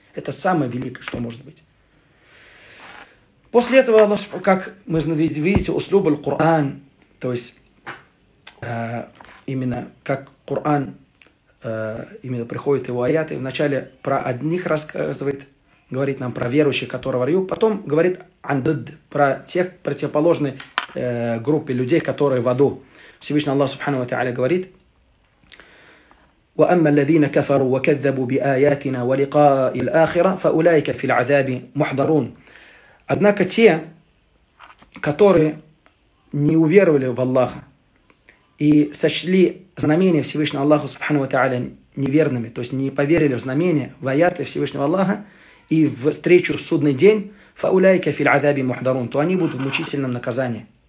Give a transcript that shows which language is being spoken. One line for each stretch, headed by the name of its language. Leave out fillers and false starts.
Russian: Это самое великое, что может быть. После этого, как мы видите, услуб аль-Кур'ан, то есть именно как Кур'ан, именно приходят его аяты, вначале про одних рассказывает, говорит нам про верующих, которые в раю, потом говорит андыд, про тех противоположной группе людей, которые в аду. Всевышний Аллах Субхану ва Тааля говорит:
Arabic: وَأَمَّا الَّذِينَ كَفَرُوا وَكَذَّبُوا بِآيَاتِنَا وَلِقَاءِ الْآخِرَةِ فَأُولَٰئِكَ فِي الْعَذَابِ مُحْضَرُونَ.
Russian: Однако те, которые не уверовали в Аллаха и сочли знамения Всевышнего Аллаха, субхану ва тааля, неверными, то есть не поверили в знамения, в аяты Всевышнего Аллаха и в встречу в судный день,
Arabic: фауляйка фил азаби мухдарун,
Russian: то они будут в мучительном наказании.